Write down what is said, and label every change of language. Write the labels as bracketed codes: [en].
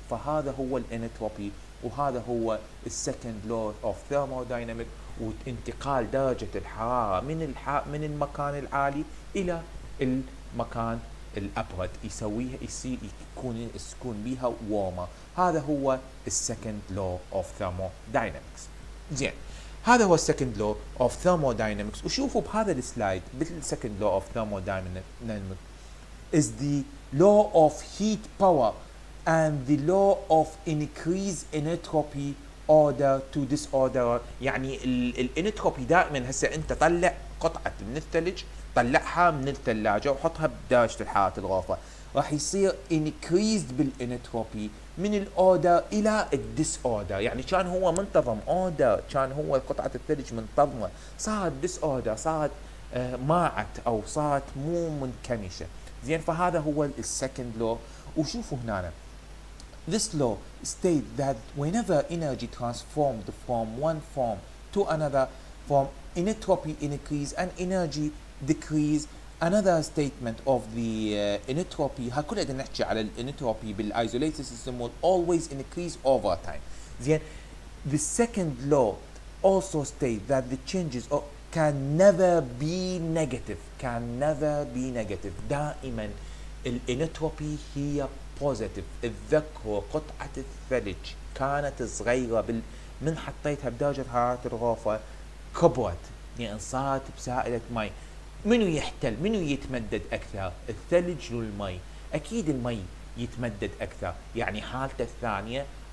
[ar] فهذا هو الانتروبي، وهذا هو السكند لو اوف ثيرموداينامك، وانتقال درجه الحراره من المكان العالي الى المكان الابرد يسويها يكون بيها وارمر. هذا هو السكند لو اوف ثيرموداينامكس. زين، هذا هو السكند لو اوف ثيرموداينامكس. وشوفوا بهذا السلايد [en] بالسكند law of thermodynamics is the law of heat power and the law of increase in entropy order to disorder. [ar] يعني الانتروبي دائما هسه انت طلع قطعه من الثلج، طلعها من الثلاجه وحطها بدرجه الحراره الغرفه، راح يصير increased بالانتروبي من الاوردر الى الديسوردر. يعني كان هو منتظم اوردر، كان هو قطعه الثلج منتظمه، صارت ديسوردر، صارت ماعت او صارت مو منكمشه. زين، فهذا هو السكند لو. وشوفوا هنا [en] This law states that whenever energy transformed from one form to another form, entropy increase and energy decrease. Another statement of the entropy. [ar] ها كل هذا نحكي على الانتروبي بالisolated [en] system will always increase over time. Then the second law also states that the changes can never be negative. Can never be negative. [ar] دائما الانتروبي هي بوزيتيف. اتذكروا قطعة الثلج كانت صغيرة من حطيتها بدرجة حرارة الغرفة كبرت، يعني صارت بسائلة مي. منو يحتل؟ منو يتمدد أكثر؟ الثلج والمي. أكيد المي يتمدد أكثر، يعني حالته الثانية